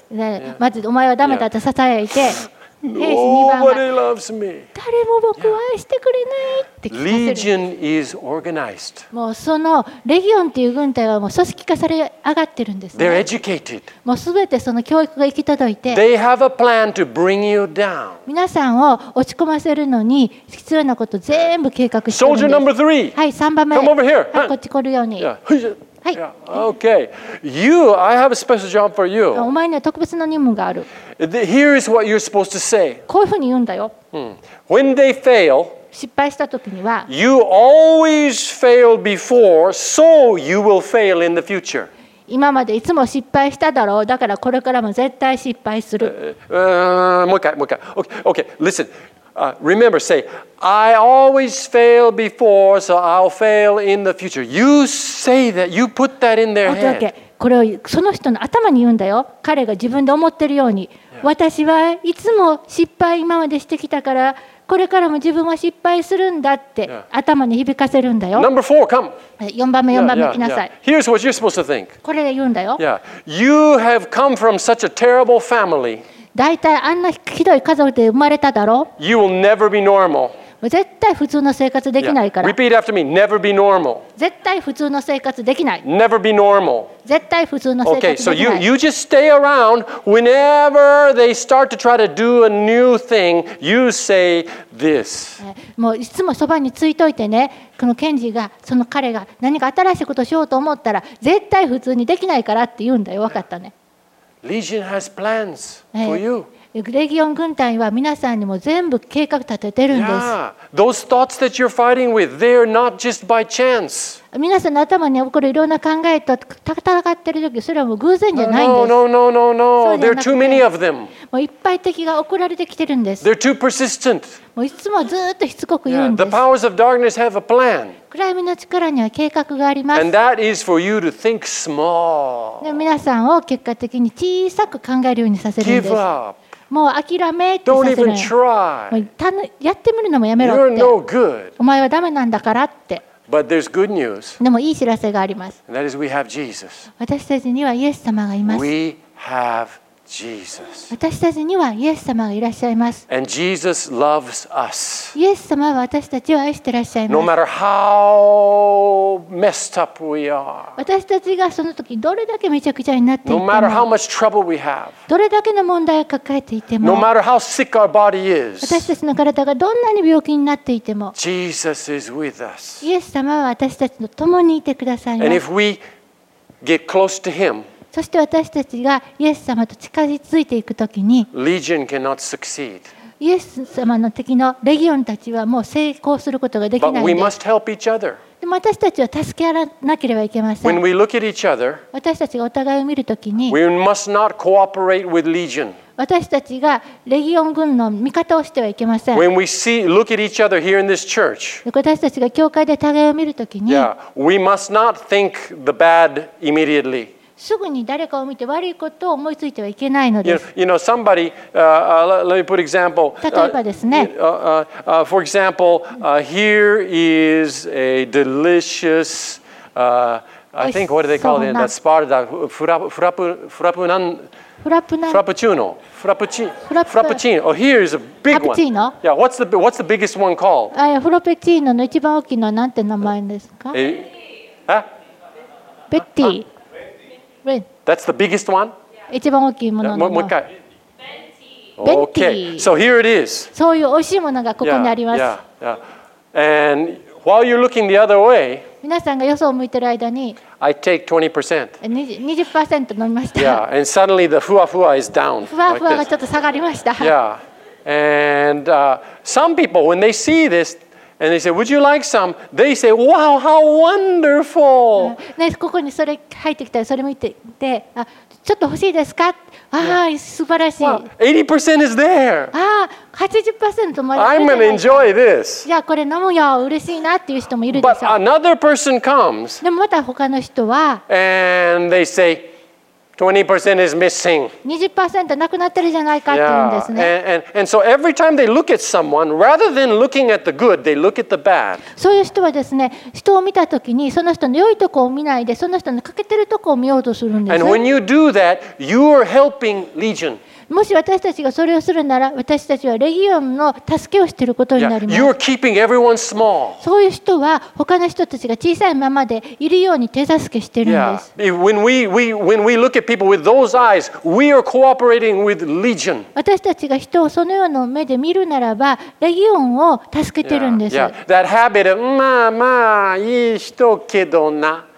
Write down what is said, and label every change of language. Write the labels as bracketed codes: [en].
[ja] ね、まずお前はダメだとささやいて。 [en] Nobody loves me. [ja] 誰も僕を愛してくれないって聞かせる。 [en] Legion is organized. [ja] もうそのレギオンっていう軍隊はもう組織化され上がってるんですね。 [en] They're educated. [ja] もうすべてその教育が行き届いて。 [en] They have a plan to bring you down. [ja] 皆さんを落ち込ませるのに必要なこと全部計画してるんです。 [en] Soldier number three. [ja] はい、三番目。 [en] Come over here. [ja] はい、こっち来るように。はい。 [en] Okay. You, I have a special job for you. [ja] お前には特別な任務がある。 [en] Here is what you're supposed to say. [ja] こういうふうに言うんだよ。 [en] When they fail, [ja] 失敗したときには、 [en] You always failed before, so you will fail in the future. [ja] 今までいつも失敗しただろう。だからこれからも絶対失敗する。もう一回、もう一回。 [en] Okay. Listen. remember, say, I always fail before, so I'll fail in the future. You say that, you put that in their head. Okay. [ja] これをその人の頭に言うんだよ。彼が自分で思ってるように。 [en] Yeah. [ja] 私はいつも失敗今までしてきたから、これからも自分は失敗するんだって、 [en] yeah. [ja] 頭に響かせるんだよ。 [en] Number four, come. [ja] 4番目来なさい。 [en] Yeah, yeah. Here's what you're supposed to think. [ja] これで言うんだよ。 [en] Yeah. You have come from such a terrible family. [ja] だいたいあんなひどい家族で生まれただろう。 [en] You will never be normal. [ja] 絶対普通の生活できないから。 [en] Yeah. Repeat after me. Never be normal. [ja] 絶対普通の生活できない。 [en] Never be normal. [ja] 絶対普通の生活できない。 [en] Okay, so you just stay around whenever they start to try to do a new thing. You say this. [ja] もういつもそばについといてね。このケンジがその彼が何か新しいことをしようと思ったら、絶対普通にできないからって言うんだよ。わかったね。 [en] Legion has plans for you. [ja] レギオン軍隊は皆さんにも全部計画立ててるんです。 [en] Yeah. Those thoughts that you're fighting with, they're not just by chance. [ja] 皆さんの頭に起こるいろんな考えと戦ってる時、それはもう偶然じゃないんです。 [en] No. There are too many of them. [ja] もういっぱい敵が送られてきてるんです。 [en] They're too persistent. [ja] もういつもずっとしつこく言うんです。 [en] Yeah. The powers of darkness have a plan. [ja] 暗闇の力には計画があります。 [en] And that is for you to think small. [ja] で皆さんを結果的に小さく考えるようにさせるんです。 [en] Give up. [ja] もう諦めってさせない。もうやってみるのもやめろって。お前はダメなんだからって。でもいい知らせがあります。私たちにはイエス様がいます。私たちにはイエス様がいらっしゃいます。 [en] And Jesus loves us. [ja] イエス様は私たちを愛してらっしゃいます。 [en] No matter how messed up we are. [ja] 私たちがその時どれだけめちゃくちゃになっていても [en] No matter how much trouble we have. [ja] どれだけの問題を抱えていても [en] No matter how sick our body is. [ja] 私たちの体がどんなに病気になっていても [en] Jesus is with us. [ja] イエス様は私たちと共にいてくださいます。 [en] And if we get close to him. [ja] そして私たちがイエス様と近づいていくときに、 [en] Legion cannot succeed. [ja] イエス様の敵のレギオンたちはもう成功することができないんです。 [en] But we must help each other. [ja] でも私たちは助け合わなければいけません。 [en] When we look at each other, [ja] 私たちがお互いを見るときに、 [en] we must not cooperate with Legion. [ja] 私たちがレギオン軍の味方をしてはいけません。 [en] When we see, look at each other here in this church, [ja] 私たちが教会で互いを見るときに、 [en] yeah, we must not think the bad immediately. [ja] すぐに誰かを見て悪いことを思いついてはいけないのです。 [en] You know, somebody, let me put example. [ja] 例えばですね。 [en] For example, here is a delicious, I think, what do they call it? That's part of that. Frappuccino. Frappuccino. Oh, here is a big Cappuccino? one. Yeah, what's the biggest one called? [ja] フラペチーノの一番大きいのは何て名前ですか？ベッティ。 [en] That's the biggest one? [ja] 一番大きいものの。もう一回。ベンティ。 [en] Okay. So here it is. [ja] そういう美味しいものがここにあります。 [en] Yeah, yeah, yeah. And while you're looking the other way, [ja] 皆さんがよそを向いてる間に、 [en] I take 20%. [ja] 20% 飲みました。 [en] Yeah, and suddenly the ふわふわ is down. [ja] ふわふわがちょっと下がりました。 [en] Yeah. And some people, when they see this,And they say, "Would you like some?" They say, "Wow, how wonderful!" [ja] ね、ここにそれ入ってきたらそれ見てで、あ、ちょっと欲しいですか？ああ、素晴らしい。 [en] Wow, 80% is there. [ja] ああ、80% もある。 [en] I'm gonna enjoy this. [ja] じゃあこれ飲むよ、嬉しいなっていう人もいるでしょ。 [en] But another person comes. [ja] でもまた他の人は。 [en] And they say, "20% is missing." [ja] 20% なくなってるじゃないかって言うんですね。 [en] Yeah. And so every time they look at someone, rather than looking at the good, they look at the bad. [ja] そういう人はですね、人を見たときにその人の良いとこを見ないで、その人の欠けてるとこを見ようとするんです。 [en] And when you do that, you are helping Legion. [ja] もし私たちがそれをするなら、私たちはレギオンの助けをしていることになります。 [en] Yeah, you're keeping everyone small. [ja] そういう人は他の人たちが小さいままでいるように手助けしているんです。 [en] Yeah. When we look at people with those eyes, we are cooperating with Legion. [ja] 私たちが人をそのような目で見るならば、レギオンを助けているんです。 [en] Yeah, yeah. That habit of, [ja] まあまあいい人けどな。